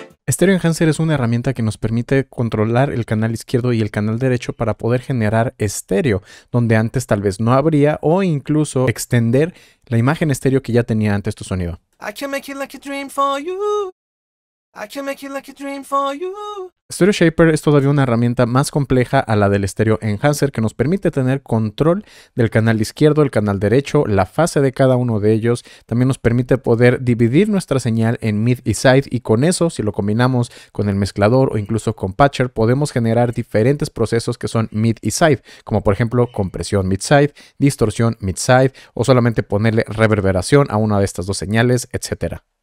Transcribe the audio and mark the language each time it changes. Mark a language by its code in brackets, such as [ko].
[es] Stereo Enhancer es una herramienta que nos permite controlar el canal izquierdo y el canal derecho para poder generar estéreo, donde antes tal vez no habría, o incluso extender la imagen estéreo que ya tenía antes tu sonido. [en] I can make it like a dream for you. I can make it like a dream for you. [es] Stereo Shaper es todavía una herramienta más compleja a la del Stereo Enhancer, que nos permite tener control del canal izquierdo, el canal derecho, la fase de cada uno de ellos. También nos permite poder dividir nuestra señal en mid y side, y con eso, si lo combinamos con el mezclador o incluso con patcher, podemos generar diferentes procesos que son mid y side, como por ejemplo compresión mid-side, distorsión mid-side, o solamente ponerle reverberación a una de estas dos señales, etcétera.